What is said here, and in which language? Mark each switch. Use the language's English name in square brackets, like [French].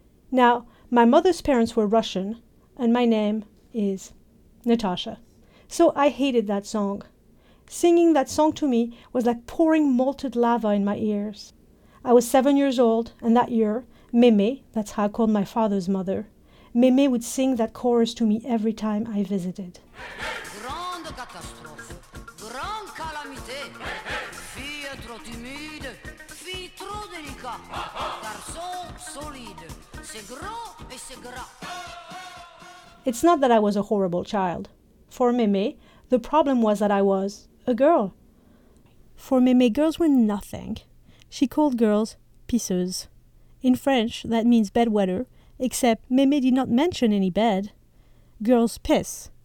[English] Now, my mother's parents were Russian, and my name is Natasha. So I hated that song. Singing that song to me was like pouring molten lava in my ears. I was 7 years old, and that year, Mémé, that's how I called my father's mother, Mémé would sing that chorus to me every time I visited. [French] Grande catastrophe, grande calamité, fille trop timide, fille trop délicate, garçon solide, c'est grand et c'est gras. [English] It's not that I was a horrible child. For Mémé, the problem was that I was a girl. For Mémé, girls were nothing. She called girls pisseuses. In French, that means bedwetter, except Mémé did not mention any bed. Girls piss.